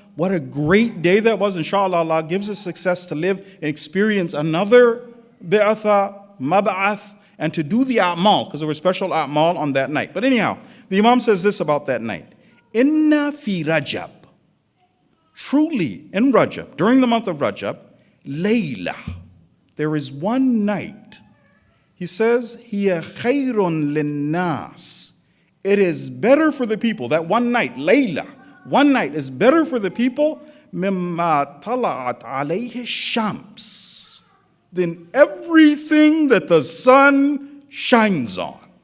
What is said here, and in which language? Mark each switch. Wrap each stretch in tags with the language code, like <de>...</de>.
<en>What a great day that was. Inshallah, Allah gives us success to live and experience another bi'atha, mab'ath, and to do the a'mal, because there were special a'mal on that night. But anyhow, the Imam says this about that night. Inna fi Rajab. Truly, in Rajab, during the month of Rajab, layla. There is one night. He says,</en> <ar>هِيَ خَيْرٌ لِلنَّاسِ.</ar> <en>It is better for the people. That one night, Layla, one night is better for the people</en> <ar>مِمَّا طَلَعَتْ عَلَيْهِ الشَّمْسِ</ar> <en>than everything that the sun shines on.</en>